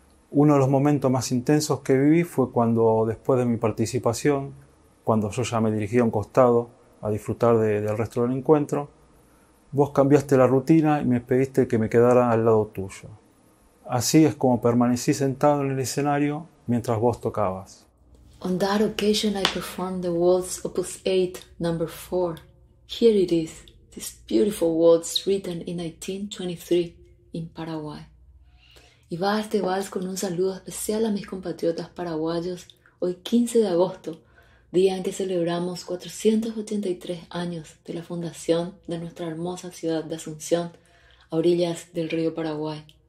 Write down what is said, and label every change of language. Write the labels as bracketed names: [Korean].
[Spanish] Uno de los momentos más intensos que viví fue cuando, después de mi participación, cuando yo ya me dirigí a un costado a disfrutar del resto del encuentro, vos cambiaste la rutina y me pediste que me quedara al lado tuyo. Así es como permanecí sentado en el escenario mientras vos tocabas. [English] On that occasion, I performed the waltz Opus 8, number 4. Here it is, this beautiful waltz written in 1923 in Paraguay. [Spanish] Y va este vals con un saludo especial a mis compatriotas paraguayos hoy 15 de agosto, día en que celebramos 483 años de la fundación de nuestra hermosa ciudad de Asunción, a orillas del río Paraguay.